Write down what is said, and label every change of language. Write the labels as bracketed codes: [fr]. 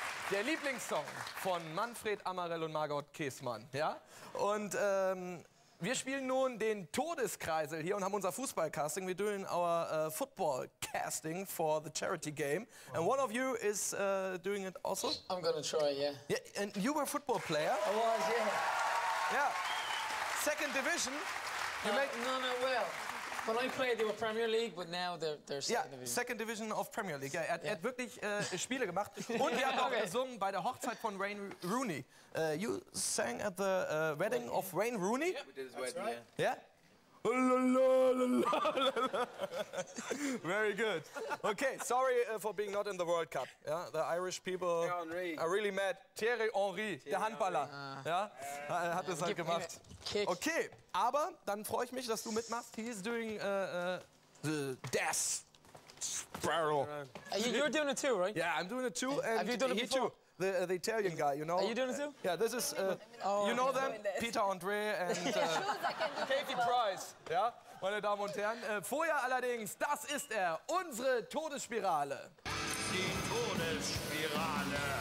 [de] Der Lieblingssong von Manfred Amarell und Margot Käßmann, ja? Und Wir spielen nun den Todeskreisel hier und haben unser Fußballcasting. [en] We're doing our football casting for the charity game. Wow. And one of you is doing it also. I'm gonna try, yeah. Yeah, and you were a football player. I was, yeah. Yeah. Second division. Well. When I played, they were Premier League, but now they're second division. Yeah, second division of Premier League. [de] Yeah, er hat wirklich Spiele gemacht. Und er hat auch gesungen bei der Hochzeit von Wayne Rooney. [en] You sang at the wedding of Wayne Rooney? Yeah, we did his wedding. Yeah? Very good. Okay, sorry for being not in the World Cup. Yeah, the Irish people are really mad. [de] Thierry Henry, der Handballer. Ja, er hat es halt gemacht. [en] Kick. [de] Okay, aber dann freue ich mich, dass du mitmachst. [en] He's doing the Death Sparrow. You're doing it too, right? Yeah, I'm doing it too. And have you done it before? The Italian guy, you know. Are you doing it too? Yeah, this is. You know them, Peter Andre and Katie Price. [de] Ja, meine Damen und Herren. Vorher allerdings, das ist er, unsere Todesspirale. Die Todesspirale.